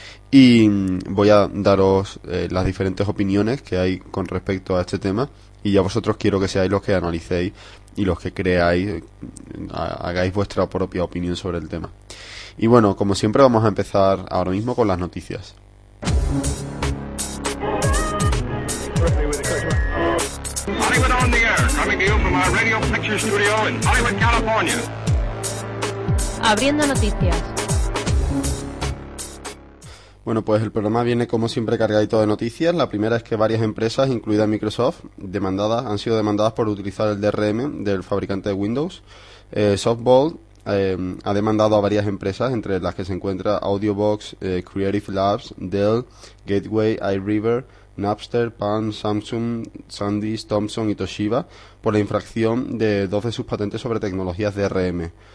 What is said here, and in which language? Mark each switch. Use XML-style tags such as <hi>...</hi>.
<es>Y voy a daros las diferentes opiniones que hay con respecto a este tema, y ya vosotros quiero que seáis los que analicéis y los que creáis, hagáis vuestra propia opinión sobre el tema. Y bueno, como siempre, vamos a empezar ahora mismo con las noticias.</es> <en>Hollywood on the air, coming to you from our Radio Picture Studio in Hollywood, California.</en> <es>Abriendo noticias. Bueno, pues el programa viene como siempre cargadito de noticias. La primera es que varias empresas, incluida Microsoft, han sido demandadas por utilizar el DRM del fabricante de Windows. Softball ha demandado a varias empresas, entre las que se encuentra Audiobox, Creative Labs, Dell, Gateway, iRiver, Napster, Palm, Samsung, SanDisk, Thomson y Toshiba, por la infracción de dos de sus patentes sobre tecnologías DRM.</es>